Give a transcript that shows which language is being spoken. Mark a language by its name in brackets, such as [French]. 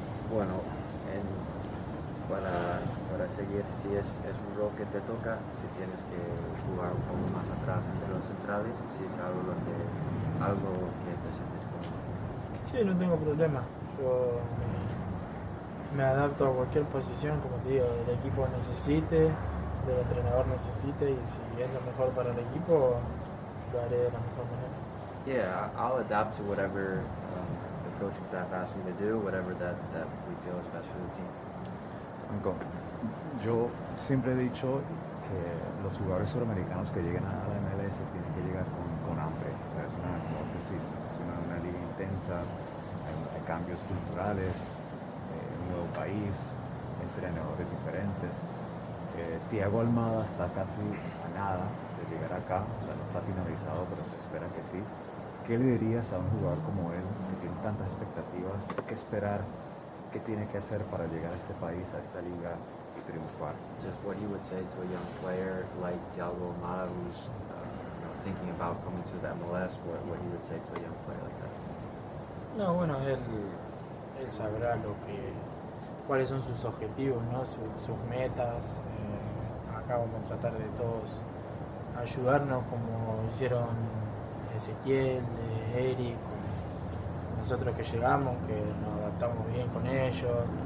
[Spanish] Bueno, en, para seguir, si es un rol que te toca, si tienes que jugar un poco más atrás entre los centrales, si es algo que te sientes. Sí, no tengo problema. Yo me adapto a cualquier posición, como te digo, del equipo necesite, del entrenador necesite, y si es lo mejor para el equipo, lo haré de la mejor manera. [English] Yeah, I'll adapt to whatever the coaching staff asks me to do, whatever that we feel is best for the team. [Spanish] Franco, yo siempre he dicho que los jugadores suramericanos que lleguen a la MLS tienen que llegar con hambre. O sea, es una hipótesis. Intensa, hay cambios culturales, un nuevo país, entrenadores diferentes. Thiago Almada está casi a nada de llegar acá, o sea, no está finalizado, pero se espera que sí. ¿Qué le dirías a un jugador como él, que tiene tantas expectativas? ¿Qué esperar? ¿Qué tiene que hacer para llegar a este país, a esta liga y triunfar? [English] Just what he would say to a young player like Thiago Almada, who's thinking about coming to the MLS, what he would say to a young player like that? [Spanish] No, bueno, él sabrá lo que cuáles son sus objetivos, ¿no? Sus metas. Acabo de tratar de todos ayudarnos como hicieron Ezequiel, Eric, nosotros que llegamos, que nos adaptamos bien con ellos.